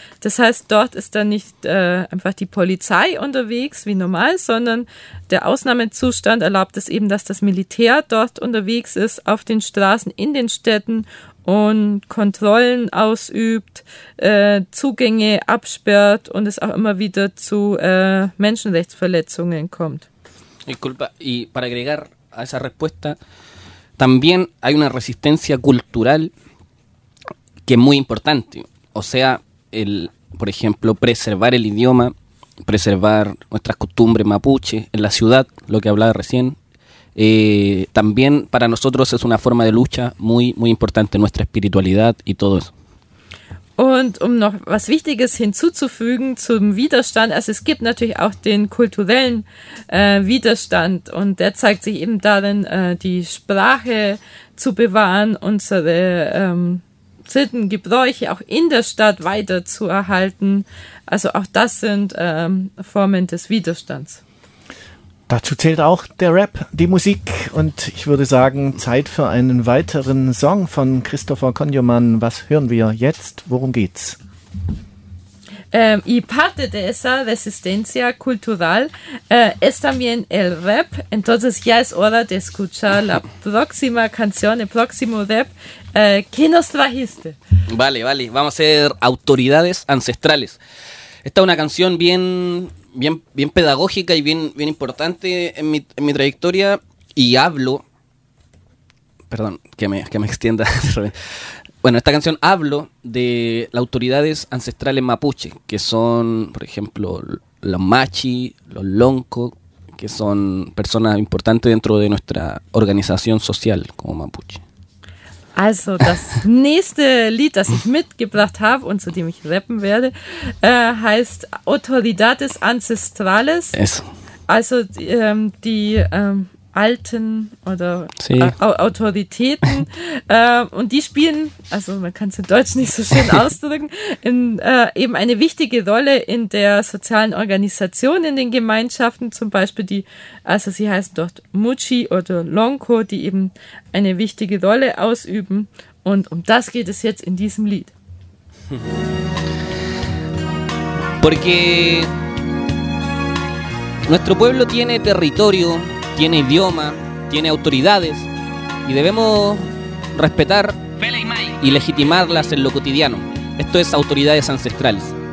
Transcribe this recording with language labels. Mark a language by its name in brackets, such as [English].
[German] Das heißt, dort ist dann nicht einfach die Polizei unterwegs wie normal, sondern der Ausnahmezustand erlaubt es eben, dass das Militär dort unterwegs ist, auf den Straßen, in den Städten und Kontrollen ausübt, Zugänge absperrt und es auch immer wieder zu Menschenrechtsverletzungen kommt. [Spanish] Disculpa, y para agregar a esa respuesta, también hay una resistencia cultural que es muy importante. O sea, el, por ejemplo, preservar el idioma, preservar nuestras costumbres mapuche en la ciudad, lo que hablaba recién. También para nosotros es una forma de lucha muy, muy importante, nuestra espiritualidad y todo eso. [German] Und um noch was Wichtiges hinzuzufügen zum Widerstand, also es gibt natürlich auch den kulturellen Widerstand und der zeigt sich eben darin, die Sprache zu bewahren, unsere Sitten, Gebräuche auch in der Stadt weiter zu erhalten. Also auch das sind Formen des Widerstands. Dazu zählt auch der Rap, die Musik und ich würde sagen, Zeit für einen weiteren Song von Christopher Konjoman. Was hören wir jetzt? Worum geht's? [Spanish] Y parte de esa resistencia cultural es también el rap. Entonces ya es hora de escuchar la próxima canción, el próximo rap. ¿Qué nos trajiste? Vale, vale. Vamos a ser autoridades ancestrales. Esta es una canción bien pedagógica y bien importante en mi trayectoria y hablo, perdón, que me extienda. Bueno, esta canción hablo de las autoridades ancestrales mapuche, que son, por ejemplo, los machi, los lonco, que son personas importantes dentro de nuestra organización social como mapuche. [German] Also das nächste Lied, das ich mitgebracht habe und zu dem ich rappen werde, heißt Autoridades Ancestrales. Also die alten oder sí. Autoritäten. Und die spielen, also man kann es in Deutsch nicht so schön ausdrücken, eben eine wichtige Rolle in der sozialen Organisation, in den Gemeinschaften zum Beispiel. Sie heißen dort Muchi oder Lonko, die eben eine wichtige Rolle ausüben. Und um das geht es jetzt in diesem Lied. [Spanish] Porque nuestro pueblo tiene territorio, tiene idioma, tiene autoridades y debemos respetar y legitimarlas en lo cotidiano. Esto es autoridades ancestrales.